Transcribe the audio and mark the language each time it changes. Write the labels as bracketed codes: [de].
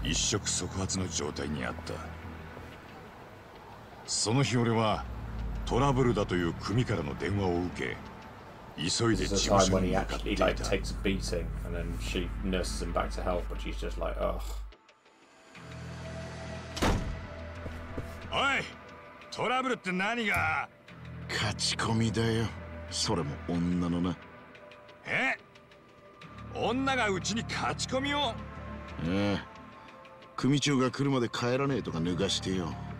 [ja] 一触即発の状態にあった。その日俺はトラブルだという組からの電話を受け、急いで事務所に向かっていた。 [en] takes a beating and then she nurses him back to health, but she's just like, ugh. [ja] おい、トラブルって何が？勝ち込みだよ。それも女のな。え？女がうちに勝ち込みを？ああ、組長が来るまで帰らねえとか脱がしてよ。